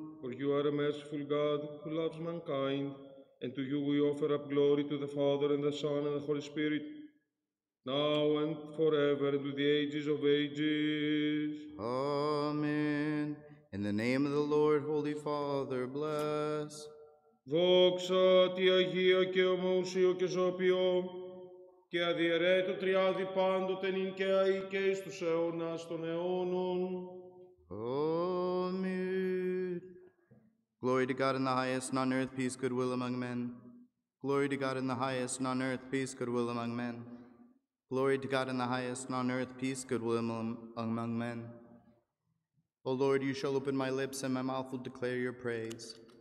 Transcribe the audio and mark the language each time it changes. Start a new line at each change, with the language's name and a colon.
English: For you are a merciful God who loves mankind, and to you we offer up glory to the Father and the Son and the Holy Spirit. Now and forever, to the ages of ages. Amen. In the name of the Lord, Holy Father, bless.
Greek: Δόξα τη Αγία και ομοουσίω και ζώπιο και αδιαιρέτω τριάδι πάντοτε νυν και αεί και εις τους αιώνας των αιώνων.
English: Amen. Glory to God in the highest and on earth peace, goodwill among men. Glory to God in the highest and on earth peace, goodwill among men. Glory to God in the highest and on earth, peace, goodwill among men. O Lord, you shall open my lips and my mouth will declare your praise.